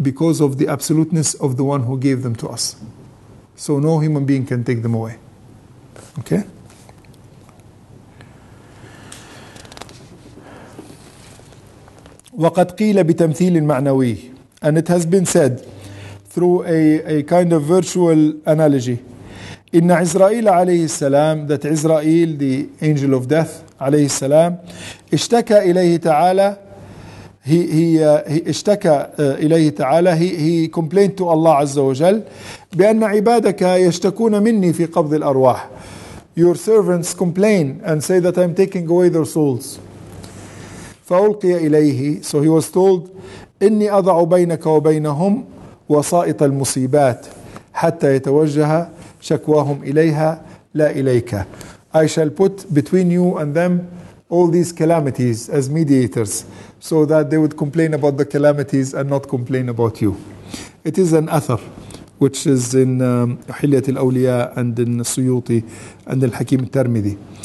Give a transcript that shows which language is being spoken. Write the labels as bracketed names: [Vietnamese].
[English] because of the absoluteness of the one who gave them to us. So no human being can take them away. Okay? [Arabic] وَقَدْ قِيلَ بِتَمْثِيلٍ مَعْنَوِيٍ. [English] And it has been said through a kind of virtual analogy. [Arabic] إِنَّ عِزْرَائِيلَ عَلَيْهِ السَّلَامِ, [English] that Israel, the angel of death, [Arabic] عليه السلام, اشتكى إليه تعالى. [English] He [Arabic] اشتكى إليه تعالى. [English] He complained to Allah Azza wa Jal, [Arabic] بأن عبادك يشتكون مني في قبض الأرواح. [English] Your servants complain and say that I'm taking away their souls. [Arabic] فألقي إليه. [English] So he was told, [Arabic] إني أضع بينك وبينهم وسائط المصيبات حتى يتوجه شكواهم إليها لا إليك. [English] I shall put between you and them all these calamities as mediators, so that they would complain about the calamities and not complain about you. It is an athar, which is in Hilyat al-Awliya and in Suyuti and al-Hakim al-Tirmidhi.